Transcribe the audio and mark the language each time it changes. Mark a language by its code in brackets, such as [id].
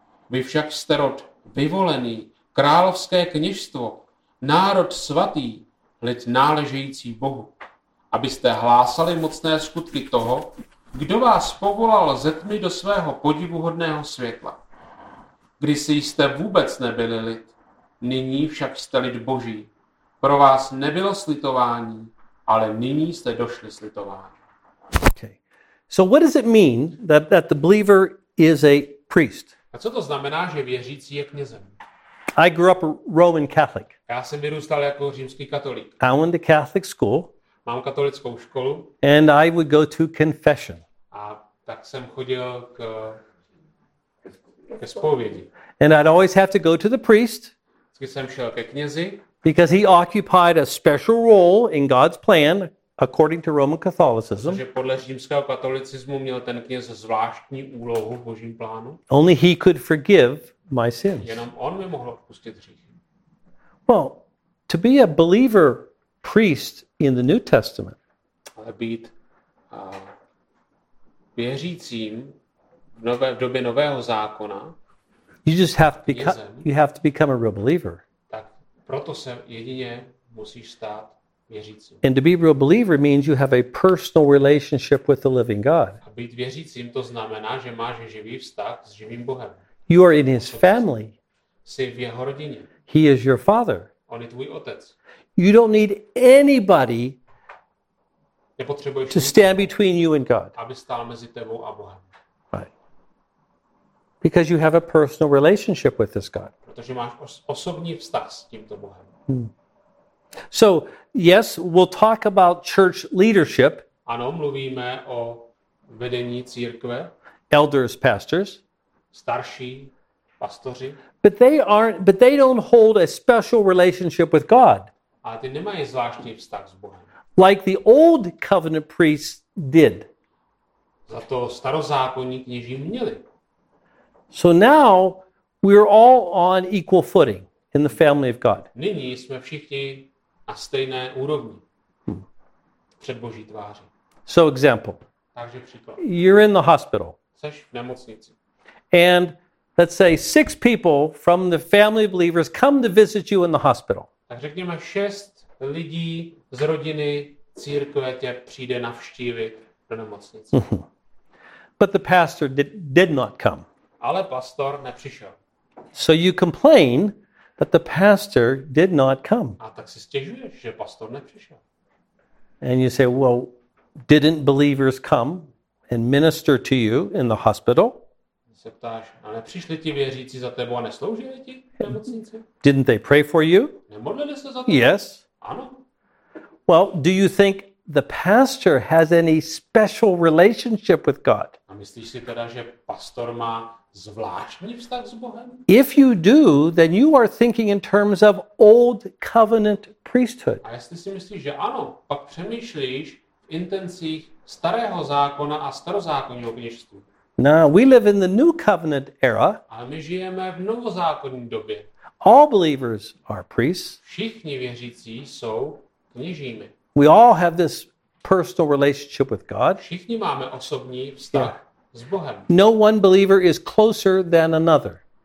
[cs] Vy však jste rod vyvolený, královské kněžstvo, národ svatý, lid náležející Bohu, abyste hlásali mocné skutky toho, kdo vás povolal ze tmy do svého podivuhodného světla. Kdysi jste vůbec nebyli lid, nyní však jste lid Boží. Pro vás nebylo slitování, ale nyní jste došli slitování. [en] Okay. So what does it mean that the believer is a priest? [cs] A co to znamená, že věřící je knězem? [en] I grew up a Roman Catholic. [cs] Já jsem vyrůstal jako římský katolík. [en] I went to Catholic school. [cs] Mám katolickou školu. [en] And I would go to confession. [cs] A tak jsem chodil ke zpovědi. [en] And I'd always have to go to the priest. [cs] Vždycky jsem šel ke knězi. [en] Because he occupied a special role in God's plan, according to Roman Catholicism. [cs] Protože podle římského katolicismu měl ten kněz zvláštní úlohu v božím plánu. [en] Only he could forgive my sins. [cs] Jenom on mi mohl odpustit hřích. [en] Well, to be a believer priest in the New Testament. [cs] Ale být věřícím v době nového zákona. [en] You just have to become a real believer. [cs] Proto se jedině musíš stát věřícím. [en] And to be a real believer means you have a personal relationship with the living God. [cs] A být věřícím to znamená, že máš živý vztah s živým Bohem. [en] You are in his family. [cs] Jsi v jeho rodině. [en] He is your father. [cs] On je tvůj otec. [en] You don't need anybody [cs] nepotřebuješ [en] to stand between you and God. [cs] Aby stál mezi tebou a Bohem. [en] Because you have a personal relationship with this God. [cs] Protože máš osobní vztah s tímto Bohem. [en] So, yes, we'll talk about church leadership. [cs] Ano, mluvíme o vedení církve. [en] Elders, pastors. [cs] Starší pastoři. [en] But they don't hold a special relationship with God. [cs] A ty nemají zvláštní vztah s Bohem. [en] Like the old covenant priests did. [cs] Za to starozákonní kněží měli. [en] So now we're all on equal footing in the family of God. [cs] Nyní jsme všichni na stejné úrovni před Boží tváří. [en] So example. [cs] Takže příklad. [en] You're in the hospital. [cs] Jseš v nemocnici. [en] And let's say 6 people from the family of believers come to visit you in the hospital. [cs] Tak řekněme 6 lidí z rodiny církve tě přijde navštívit do nemocnice. [en] But the pastor did not come. [cs] Ale pastor nepřišel. [en] So you complain that the pastor did not come. [cs] A tak si stěžuješ, že pastor nepřišel. [en] And you say, well, didn't believers come and minister to you in the hospital? [cs] Se ptáš, a nepřišli ti věřící za tebou a nesloužili ti v nemocnici? [en] Didn't they pray for you? [cs] Nemodlili se za tebou? [en] Yes. [cs] Ano. [en] Well, do you think the pastor has any special relationship with God? [cs] A myslíš si teda, že pastor má zvláštní vztah s Bohem? [en] If you do, then you are thinking in terms of old covenant priesthood. [cs] A jestli si myslíš, že ano, pak přemýšlíš v intencích starého zákona a starozákonního kněžství. [en] No, we live in the new covenant era. [cs] A my žijeme v novozákonní době. [en] All believers are priests. [cs] Všichni věřící jsou kněžími. [en] We all have this personal relationship with God. [cs] Všichni máme osobní vztah s Bohem. [en] No one believer is closer than another.